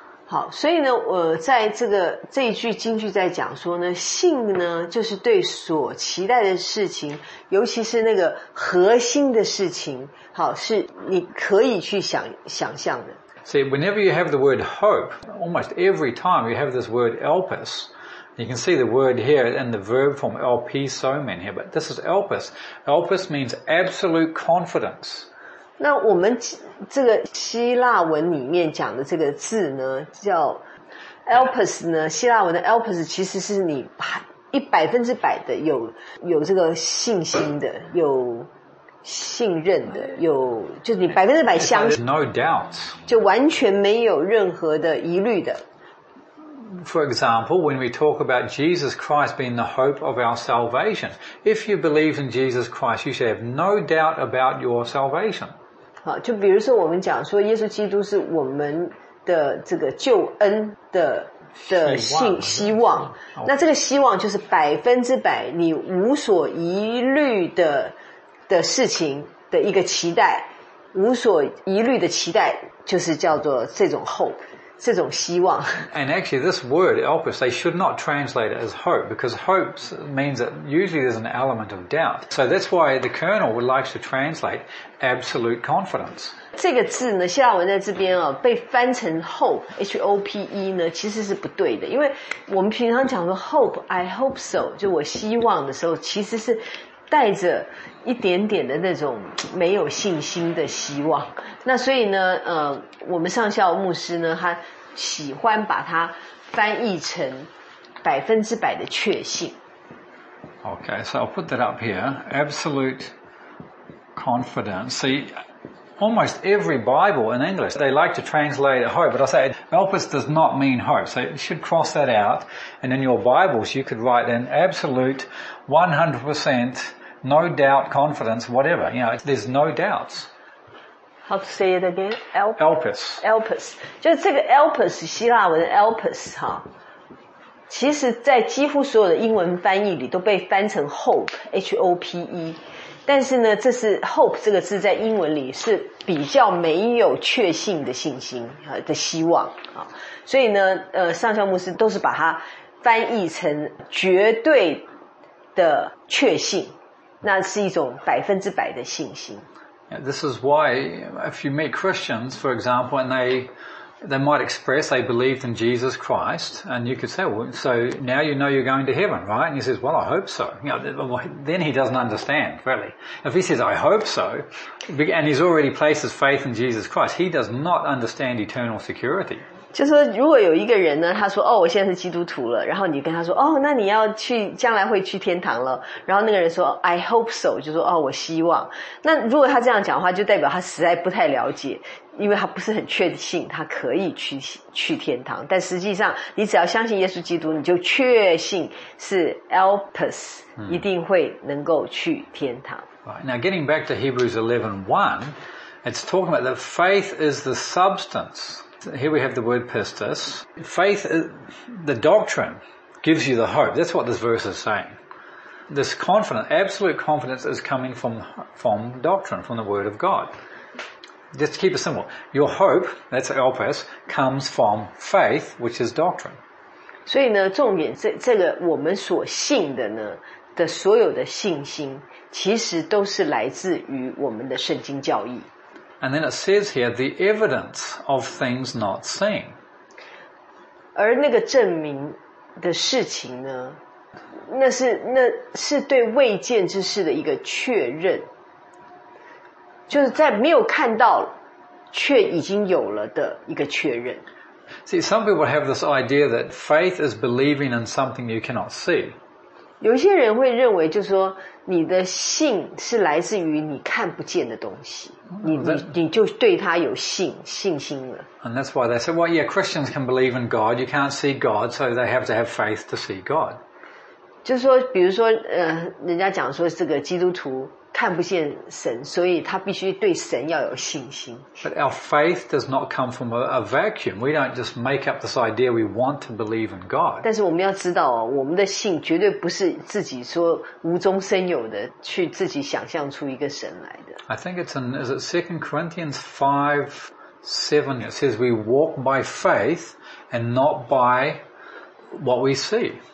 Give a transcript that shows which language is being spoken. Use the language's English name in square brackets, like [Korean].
[Chinese] 好，所以呢，在这个这一句经句在讲说呢，信呢就是对所期待的事情，尤其是那个核心的事情，好，是你可以去想象的。 [English] See, whenever you have the word hope, almost every time you have this word elpis, you can see the word here in the verb form elpisomen here, but this is elpis. Elpis means absolute confidence. [Chinese] 那我们这个希腊文里面讲的这个字呢叫 elpis 呢，希腊文的 elpis 其实是你100%的有这个信心的，有信任的，有就是你100%相信、 [English] no、doubt. [Chinese] 就完全没有任何的疑虑的。 [English] For example, when we talk about Jesus Christ being the hope of our salvation, if you believe in Jesus Christ, you should have no doubt about your salvation. [Chinese] 好，就比如说我们讲说耶稣基督是我们的这个救恩的信希望，那这个希望就是百分之百你无所疑虑的事情的一个期待，无所疑虑的期待就是叫做这种 hope。这种希望。 [English] And actually, this word, elpis, they should not translate it as hope, because hope means that usually there's an element of doubt. So that's why the kernel would like to translate absolute confidence. [Chinese] 这个字呢，希腊文在这边哦，被翻成 hope, H-O-P-E 呢，其实是不对的。因为我们平常讲说 hope, [English] I hope so, [Chinese] 就我希望的时候，其实是带着一点点的那种没有信心的希望。那所以呢，我们上校牧师呢，他喜欢把它翻译成百分之百的确信。 [English] Okay, so I'll put that up here. Absolute confidence. See, almost every Bible in English, they like to translate it hope, but I say, elpis does not mean hope. So you should cross that out. And in your Bibles, you could write an absolute 100%No doubt, confidence, whatever. You know, there's no doubts. How to say it again? Elpis. Elpis. [Chinese] 就这个 Elpis, 希腊文 Elpis, 哈，其实在几乎所有的英文翻译里都被翻成 hope, H-O-P-E。但是呢，这是 hope 这个字在英文里是比较没有确信的信心的希望。所以呢，上校牧师都是把它翻译成绝对的确信。那是一种百分之百的信心。 [English] Yeah, this is why if you meet Christians, for example, and they might express they believed in Jesus Christ, and you could say, well, so now you know you're going to heaven, right? And he says, well, I hope so. You know, then he doesn't understand, really. If he says, I hope so, and he's already placed his faith in Jesus Christ, he does not understand eternal security. [Chinese] 就是如果有一个人呢，他说哦，我现在是基督徒了，然后你跟他说哦，那你要去将来会去天堂了，然后那个人说 [English] I hope so, [Chinese] 就说哦，我希望。那如果他这样讲的话，就代表他实在不太了解，因为他不是很确信他可以去天堂。但实际上，你只要相信耶稣基督，你就确信是 elpis 一定会能够去天堂。 [English] Right. Now getting back to Hebrews 11:1, it's talking about that faith is the substance. Here we have the word pistis. Faith, the doctrine, gives you the hope. That's what this verse is saying. This confidence, absolute confidence is coming from doctrine, from the word of God. Just to keep it simple. Your hope, that's elpis, comes from faith, which is doctrine. [Chinese] 所以呢，重点，这个我们所信的呢，的所有的信心，其实都是来自于我们的圣经教义。 [English] And then it says here, the evidence of things not seen. [Chinese] 而那个证明的事情呢，那是对未见之事的一个确认，就是在没有看到却已经有了的一个确认。 [English] See, some people have this idea that faith is believing in something you cannot see. [Chinese] 有些人会认为就是说你的信是来自于你看不见的东西，你就对他有信心了。 [English] And that's why they say, well, yeah, Christians can believe in God. You can't see God, so they have to have faith to see God. [Chinese] 就是说，比如说，人家讲说这个基督徒看不见神，所以他必须对神要有信心。 [English] But our faith does not come from a vacuum. We don't just make up this idea we want to believe in God. [Chinese] 但是我们要知道哦，我们的信绝对不是自己说无中生有的去自己想象出一个神来的。 [English] I think it's is it 2 Corinthians 5:7? It says we walk by faith and not by what we see.